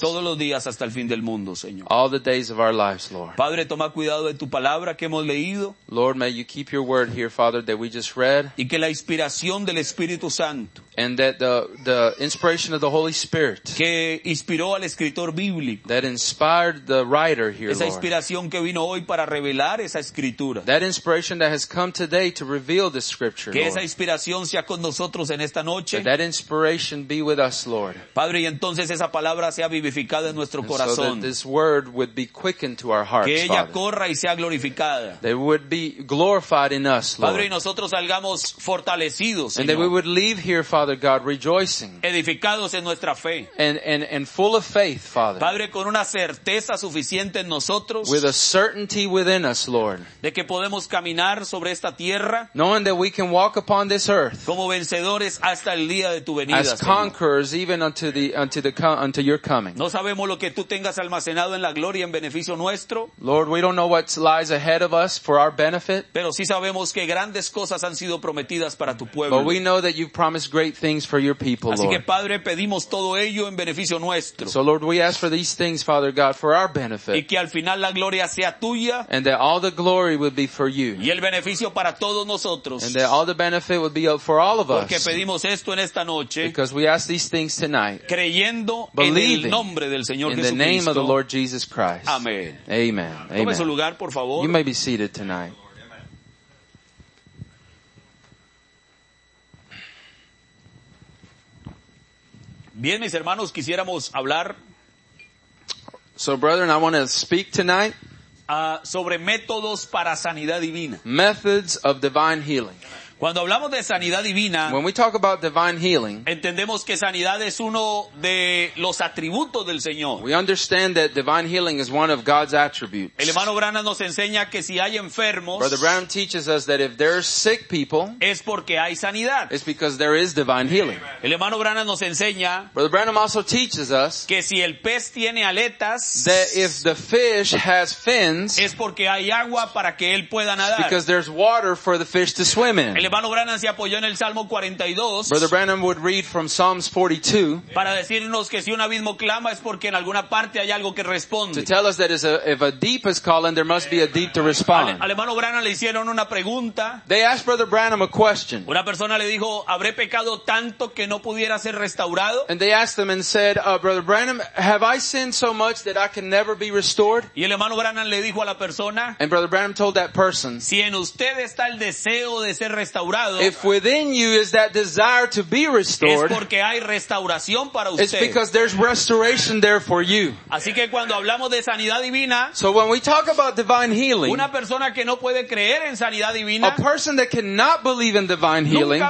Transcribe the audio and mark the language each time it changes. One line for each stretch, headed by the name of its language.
Spanish: Todos los días hasta el fin del mundo, Señor.
English: All the days of our lives, Lord.
Spanish: Padre, toma cuidado de tu palabra que hemos leído.
English: Lord, may you keep your word here, Father, that we just read.
Spanish: Y que la inspiración del Espíritu Santo.
English: And that the inspiration of the Holy Spirit.
Spanish: Que inspiró al escritor bíblico.
English: That inspired the writer here,
Spanish: esa
English: Lord.
Spanish: Esa inspiración que vino hoy para revelar esa escritura.
English: That inspiration that has come today to reveal the scripture,
Spanish: que
English: Lord.
Spanish: Esa inspiración sea con nosotros en esta noche.
English: That inspiration be with us, Lord.
Spanish: Padre, y entonces esa palabra sea vivificada en nuestro corazón.
English: So that this word would be quickened to our hearts,
Spanish: que ella
English: Father.
Spanish: Corra y sea glorificada.
English: That it would be glorified in us, Lord.
Spanish: Padre, y nosotros salgamos fortalecidos,
English: and
Spanish: Señor.
English: That we would leave here, Father God, rejoicing.
Spanish: Edificados en nuestra fe.
English: And full of faith, Father.
Spanish: Padre, con una certeza suficiente en nosotros.
English: With a certainty within us, Lord.
Spanish: De que podemos caminar sobre esta tierra.
English: Knowing that we can walk upon this earth.
Spanish: Como vencedores hasta el día de tu venida.
English: As conquerors,
Spanish: Señor.
English: Even unto your coming.
Spanish: No sabemos lo que tú tengas almacenado en la gloria en beneficio nuestro.
English: Lord, we don't know what lies ahead of us for our benefit.
Spanish: Pero sí sabemos que grandes cosas han sido prometidas para tu pueblo.
English: But we know that you've promised great things for your people, Lord.
Spanish: Así que Padre, pedimos todo ello en beneficio nuestro.
English: So Lord, we ask for these things, Father God, for our benefit.
Spanish: Y que al final la gloria sea tuya.
English: And that all the glory would be for you.
Spanish: Y el beneficio para todos nosotros.
English: And that all the benefit would be for all of us.
Spanish: Porque pedimos esto en esta noche,
English: because we ask these things tonight,
Spanish: creyendo
English: believing
Spanish: en el nombre del Señor Jesucristo.
English: In the name of the Lord Jesus Christ. Amen. Amen.
Spanish: Tome Amen. Su lugar, por favor.
English: You may be seated tonight.
Spanish: Bien, mis hermanos, quisiéramos hablar.
English: So, brethren, I want to speak tonight.
Spanish: Sobre métodos para sanidad divina.
English: Methods of divine healing.
Spanish: Cuando hablamos de sanidad divina,
English: when we talk about divine healing,
Spanish: entendemos que sanidad es uno de los atributos del Señor.
English: We understand that divine healing is one of God's attributes.
Spanish: El hermano Branham nos enseña que si hay enfermos,
English: Brother Branham teaches us that if there are sick people,
Spanish: es porque hay sanidad.
English: It's because there is divine healing.
Spanish: El hermano Branham nos enseña,
English: Brother Branham also teaches us,
Spanish: que si el pez tiene aletas,
English: that if the fish has fins,
Spanish: es porque hay agua para que él pueda nadar.
English: Because there's water for the fish to swim in.
Spanish: El hermano Branham se apoyó en el Salmo 42.
English: Brother Branham would read from Psalms 42.
Spanish: Para decirnos que si un abismo clama es porque en alguna parte hay algo que responde.
English: To tell us that if a deep is calling, there must be a deep to respond.
Spanish: Al hermano Branham le hicieron una pregunta.
English: They asked Brother Branham a question.
Spanish: Una persona le dijo, ¿habré pecado tanto que no pudiera ser restaurado?
English: And they asked him and said, Brother Branham, have I sinned so much that I can never be restored?
Spanish: Y el hermano Branham le dijo a la persona.
English: And Brother Branham told that person.
Spanish: Si en usted está el deseo de ser restaurado.
English: If within you is that desire to be restored,
Spanish: es porque hay restauración para usted.
English: It's because there's restoration there for you.
Spanish: Así que cuando hablamos de sanidad divina,
English: so when we talk about divine healing,
Spanish: una persona que no puede creer en sanidad divina,
English: a person that cannot believe in divine healing,